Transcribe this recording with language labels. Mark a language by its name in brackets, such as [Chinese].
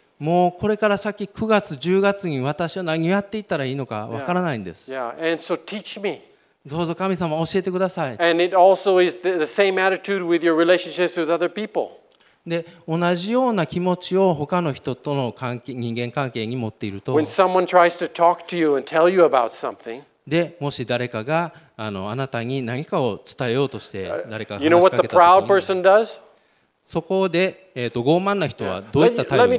[Japanese] もうこれから先9月、10月に私は何をやっていったらいいのかわからないんです。 [English] Yeah. And so teach me. [Japanese] どうぞ神様教えてください。 [English] And it also is the same attitude with your relationships with other people. [Japanese] で、同じような気持ちを他の人との関係、人間関係に持っていると、 [English] When someone tries to talk to you and tell you about something, [Japanese] で、もし誰かが あなたに何かを伝えようとして、誰かが話しかけたときに、 [English] You know what the proud person does? [Japanese] そこで、傲慢な人はどういった態度を取る